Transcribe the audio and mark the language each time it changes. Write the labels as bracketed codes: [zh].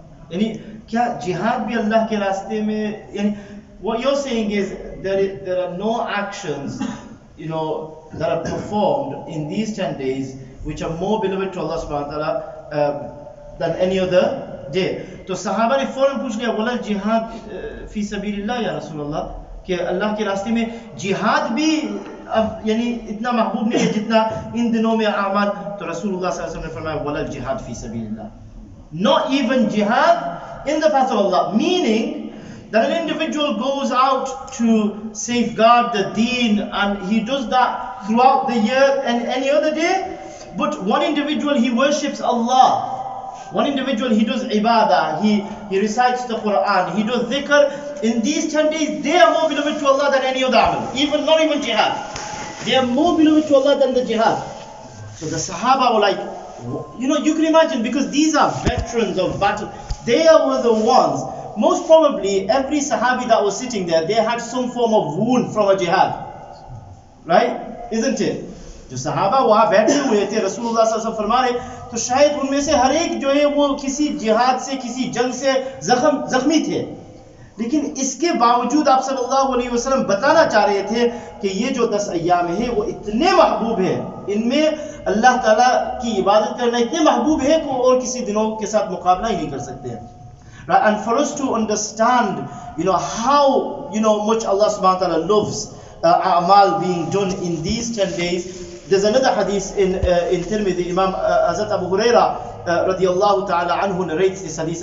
[hi] Yani, kya jihad bhi Allah ke raaste mein? [en] Yani, what you're saying is, there are no actions, you know, that are performed in these 10 days, which are more beloved to Allah subhanahu wa ta'ala than any other day. [hi] So sahaba ne foran pooch liya, [ar] walal jihad fi sabilillah ya Rasulullah. [hi] कि अल्लाह के रास्ते में जिहाद भी अब यानी इतना महबूब नहीं है जितना इन दिनों में आमद. तो रसूलुल्लाह सल्लल्लाहु अलैहि वसल्लम ने फरमाया [ar] वला जिहाद फी सबीलिल्लाह, [en] Not even जिहाद in the path of Allah. Meaning that an individual goes out to safeguard the दीन and he does that throughout the year and any other day, but one individual he worships Allah. One individual, he does ibadah, he recites the Quran, he does dhikr. In these 10 days, they are more beloved to Allah than any other amal. Even not even jihad. They are more beloved to Allah than the jihad. So the sahaba were like, you know, you can imagine, because these are veterans of battle. They were the ones, most probably every sahabi that was sitting there, they had some form of wound from a jihad. Right? Isn't it? [hi] जो सहाबा वहाँ बैठे हुए थे रसूलुल्लाह सल्लल्लाहु अलैहि वसल्लम फरमा रहे, तो शायद उनमें से हर एक जो है वो किसी जिहाद से, किसी जंग से जख्मी थे. लेकिन इसके बावजूद आप सल्लल्लाहु अलैहि वसल्लम बताना चाह रहे थे कि ये जो 10 अय्याम है वो इतने महबूब है, इनमें अल्लाह ताला की इबादत करना इतने महबूब है कि और किसी दिनों के साथ मुकाबला ही नहीं कर सकते. [en] And for us to understand, you know, how, you know, much Allah सुब्हान व तआला loves अमल being done in these 10 days. There's another hadith in Tirmidhi. Imam Hazrat Abu Huraira radiyallahu ta'ala anhu narrates this hadith.